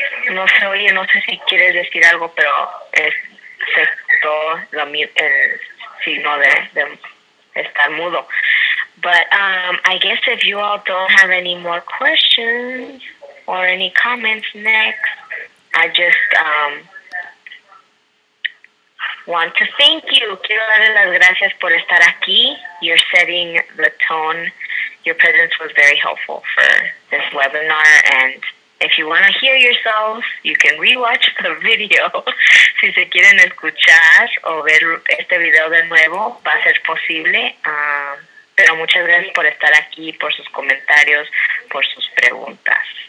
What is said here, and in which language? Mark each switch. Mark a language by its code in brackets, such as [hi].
[es] No se oye, no sé si quieres decir algo, pero se cortó el signo de estar mudo. [en] But I guess if you all don't have any more questions or any comments next, I just want to thank you. [es] Quiero darle las gracias por estar aquí. [en] You're setting the tone. Your presence was very helpful for this webinar. And if you want to hear yourselves, you can rewatch the video. [es] Si se quieren escuchar o ver este video de nuevo, va a ser posible. Pero muchas gracias por estar aquí, por sus comentarios, por sus preguntas.